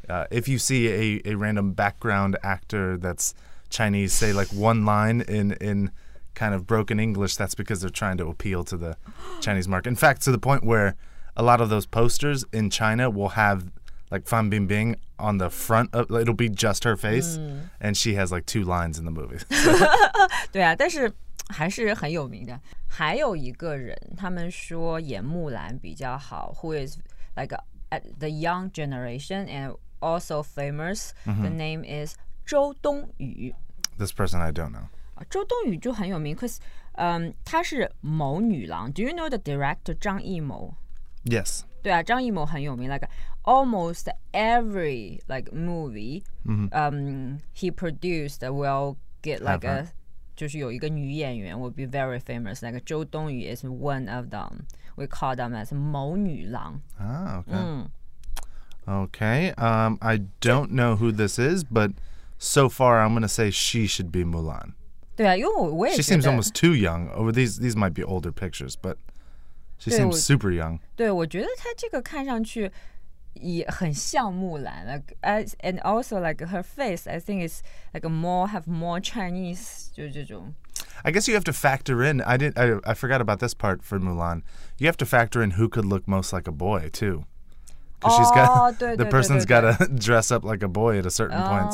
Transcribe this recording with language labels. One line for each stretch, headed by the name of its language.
English: If you see a random background actor that's Chinese say like one line in kind of broken English, that's because they're trying to appeal to the Chinese market. In fact, to the point where a lot of those posters in China will have like Fan Bingbing on the front of, it'll be just her face, and she has like two lines in the movie.
Chinese: 对啊，但是还是很有名的。还有一个人，他们说演木兰比较好，
English: who is like the young generation and also famous. The name is Zhou Dongyu. This person I don't know.
Chinese: Zhou Dongyu 就很有名
English: because
Chinese: 她是某女郎。
English: Do you know the director 张艺谋？ Yes.
Chinese: 对啊，张艺谋很有名。
English: Like almost every like movie, he produced will get like a
Chinese: 就是有一个女演员
English: will be very famous. Like Zhou Dongyu is one of them. We call them as
Chinese: 某女郎。
English: Ah, okay. Okay, I don't know who this is, but so far I'm going to say she should be Mulan.
Chinese: 对啊，因为我也觉得。
English: She seems almost too young. Oh, these might be older pictures, but she seems super young.
Chinese: 对，我觉得她这个看上去也很像木兰。
English: Like, and also like her face, I think it's like more Chinese,
Chinese: 就这种。
English: I guess you have to factor in, I forgot about this part for Mulan. You have to factor in who could look most like a boy, too. Because she's got the person's got to dress up like a boy at a certain point.